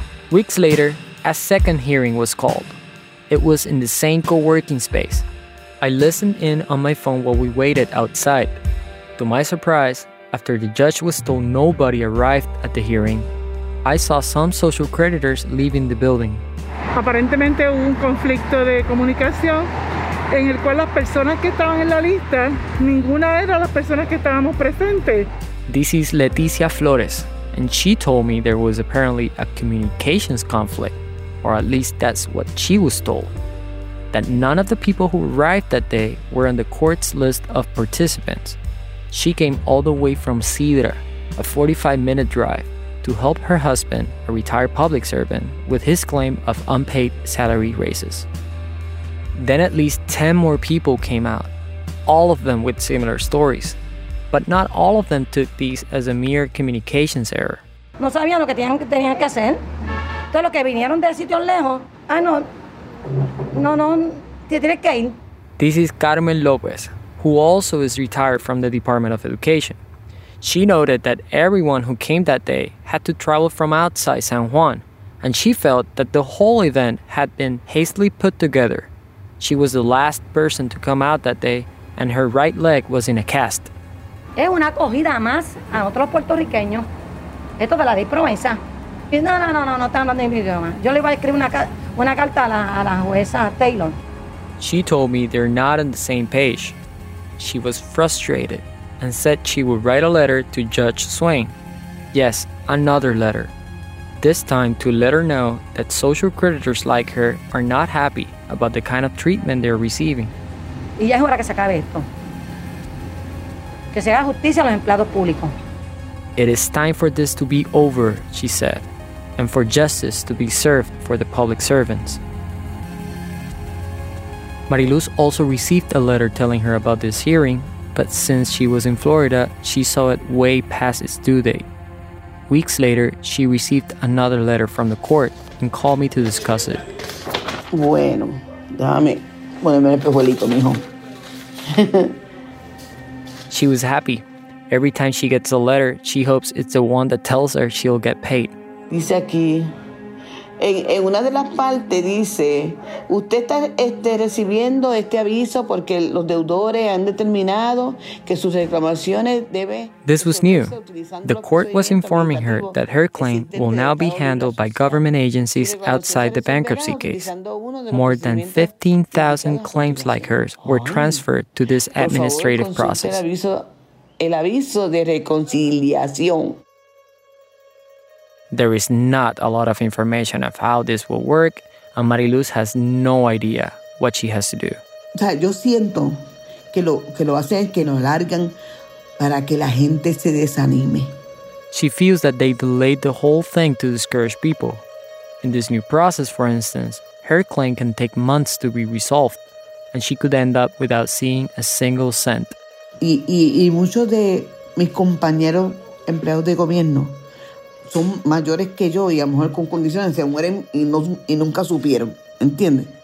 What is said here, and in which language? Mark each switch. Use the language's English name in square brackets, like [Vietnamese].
[English] Weeks later, a second hearing was called. It was in the same co-working space. I listened in on my phone while we waited outside. To my surprise, after the judge was told nobody arrived at the hearing, I saw some social creditors leaving the building. [Spanish] Aparentemente hubo un conflicto de comunicación en el cual las personas que estaban en la lista, ninguna era las personas que estábamos presentes. [English] This is Leticia Flores, and she told me there was apparently a communications conflict, or at least that's what she was told, that none of the people who arrived that day were on the court's list of participants. She came all the way from Cedra, a 45-minute drive, to help her husband, a retired public servant, with his claim of unpaid salary raises. Then at least 10 more people came out, all of them with similar stories. But not all of them took these as a mere communications error. [Spanish] No sabían lo que tenían que hacer. Todos los que vinieron de sitios lejos, no, te tienes que ir. [English] This is Carmen López, who also is retired from the Department of Education. She noted that everyone who came that day had to travel from outside San Juan, and she felt that the whole event had been hastily put together. She was the last person to come out that day, and her right leg was in a cast. [Spanish] Es una acogida más a otros puertorriqueños. Esto de la diprovenza. No, está hablando en mi idioma. Yo le iba a escribir una carta a la jueza Taylor. [English] She told me they're not on the same page. She was frustrated and said she would write a letter to Judge Swain, Yes, another letter. This time to let her know that social creditors like her are not happy about the kind of treatment they're receiving. [Spanish] Y ya es hora que se acabe esto. Que se haga justicia a los empleados públicos. [English] It is time for this to be over, she said, and for justice to be served for the public servants. Mariluz also received a letter telling her about this hearing, but since she was in Florida, she saw it way past its due date. Weeks later, she received another letter from the court and called me to discuss it. [Spanish] Bueno, déjame ponerme el pejuelito, mijo. [English] She was happy. Every time she gets a letter, she hopes it's the one that tells her she'll get paid. [Spanish] Dice aquí, en una de las partes dice, usted está recibiendo este aviso porque los deudores han determinado que sus reclamaciones deben... [English] This was new. The court was informing her that her claim will now be handled by government agencies outside the bankruptcy case. More than 15,000 claims like hers were transferred to this administrative process. [Spanish] El aviso de reconciliación. [English] There is not a lot of information of how this will work, and Mariluz has no idea what she has to do. [Spanish] O sea, yo siento que lo hacen es que nos largan para que la gente se desanime. [English] She feels that they delayed the whole thing to discourage people. In this new process, for instance, her claim can take months to be resolved, and she could end up without seeing a single cent. [Spanish] Y muchos de mis compañeros empleados de gobierno son mayores que yo y a lo mejor con condiciones se mueren y nunca supieron, ¿entiendes?